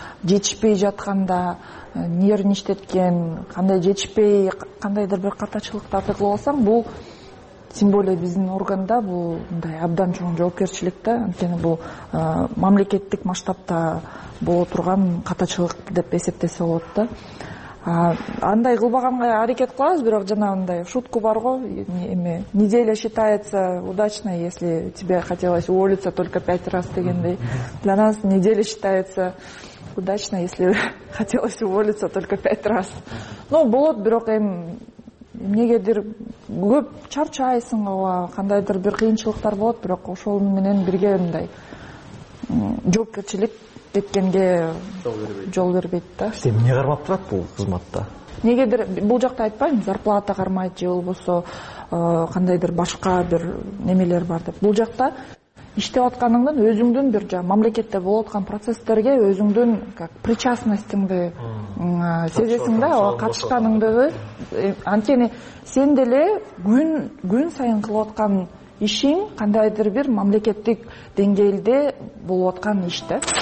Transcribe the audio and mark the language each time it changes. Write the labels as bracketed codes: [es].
[ky] Жетишпей жатканда нервничтеткен, кандай жетишпей кандайдыр бир катачылыктарды кылып алсаң, бул [ru] тем более [ky] биздин органда бул мындай абдан чоң жоопкерчилик да, анткени бул мамлекеттик масштабта боло турган катачылык деп эсептесе болот да. Андай кылбаганга аракет кылабыз, бирок жана мындай шутка бар го, эме [ru] неделя считается удачной, если тебе хотелось уволиться только 5 раз [ky] дегендей. [ru] Для нас неделя считается удачной, если хотелось уволиться только 5 раз. [ky] Ну, болот, бирок эми эмнегедир көп чарчайсың, ооба, кандайдыр бир кыйынчылыктар болот, бирок ошол менен бирге мындай жоопкерчилик кеткенге жол бербейт да. Сизди эмне кармап турат бул кызматта? Эмнегедир бул жакта айтпайбы, зарплата кармайт же болбосо кандайдыр башка бир немелер бар деп. Бул жакта иштеп атканыңдын өзүңдүн бир жана мамлекетте болуп аткан процесстерге өзүңдүн как причастностиңды сезесиң да, катышканыңдыгы. Анткени сен деле күн сайын кылып аткан ишиң кандайдыр бир мамлекеттик деңгээлде болуп аткан иш да.